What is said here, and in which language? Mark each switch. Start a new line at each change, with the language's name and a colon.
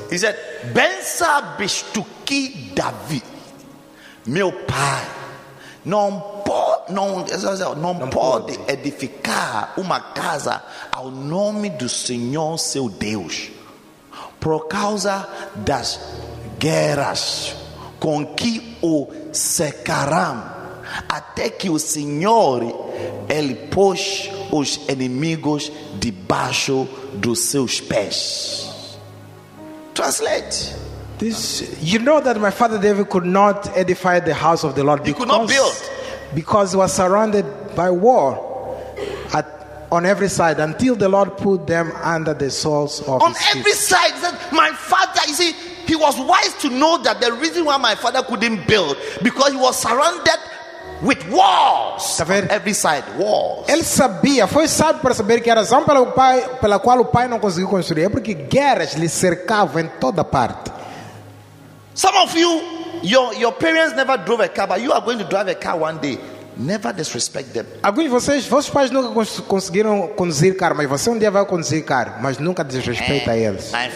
Portuguese: He said, "Bensa bistuki Davi, meu pai, não pode edificar uma casa ao nome do Senhor seu Deus, por causa das guerras com que o cercaram." Até que o Senhor ele pôs os inimigos debaixo dos seus pés.
English: Translate. You know that my father David could not edify the house of the Lord. He could not build. Because he was surrounded by war on every side until the Lord put them under the soles of his feet. On every side. That my father, you see, he was wise to know that the reason why my father couldn't build, because he was surrounded with walls. On every side, walls.
Portuguese: Ele sabia, foi sábio para saber que a razão pela qual o pai não conseguiu construir é porque guerras lhe cercavam em toda parte.
English: Some of you, your parents never drove a car, but you are going to drive a car one day. Never disrespect them.
Portuguese: Alguns de vocês, vossos pais nunca conseguiram conduzir carro, mas você um dia vai conduzir carro, mas nunca desrespeita eles.